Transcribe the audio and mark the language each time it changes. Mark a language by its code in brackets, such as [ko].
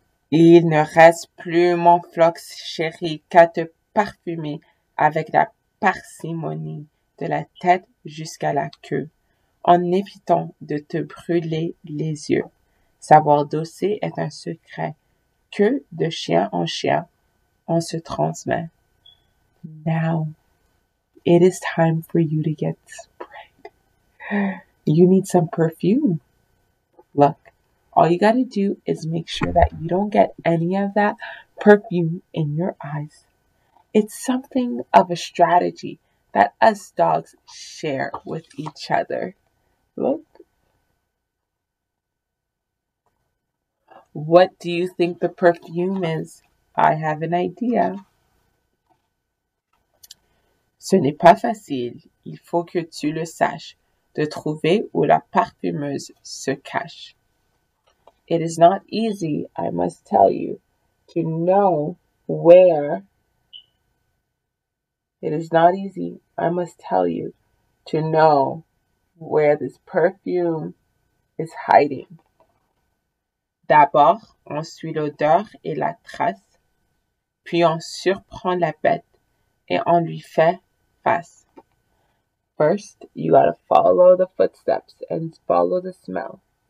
[fr] Il ne reste plus mon Flox chéri qu'à te parfumer avec la parcimonie de la tête jusqu'à la queue, en évitant de te brûler les yeux. Savoir doser est un secret que de chien, on se transmet. [en] Now, it is time for you to get sprayed. You need some perfume. Look, all you gotta do is make sure that you don't get any of that perfume in your eyes. It's something of a strategy that us dogs share with each other. Look. What do you think the perfume is? I have an idea. [fr] Ce n'est pas facile. Il faut que tu le saches. De trouver où la parfumeuse se cache. [en] It is not easy, I must tell you, to know where. It is not easy, I must tell you, to know where this perfume is hiding. [fr] D'abord, on suit l'odeur et la trace, puis on surprend la bête et on lui fait face. [en] First, you gotta follow the footsteps and follow the smell.